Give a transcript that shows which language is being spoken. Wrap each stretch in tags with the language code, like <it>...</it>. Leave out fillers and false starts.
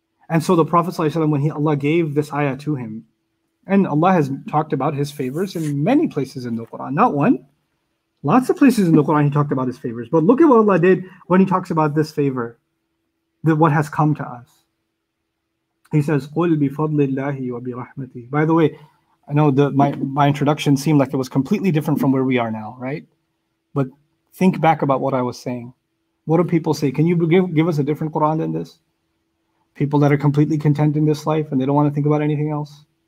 <en>And so the Prophet ﷺ, when Allah gave this ayah to him, and Allah has talked about his favors in many places in the Quran, not one, lots of places in the Quran he talked about his favors. But look at what Allah did when he talks about this favor, that what has come to us. He says,</en> <ar>قُلْ بِفَضْلِ اللَّهِ وَبِرَحْمَتِهِ.</ar> <en>By the way, I know my introduction seemed like it was completely different from where we are now, right? But think back about what I was saying. What do people say? Can you give us a different Quran than this? People that are completely content in this life and they don't want to think about anything else.</en>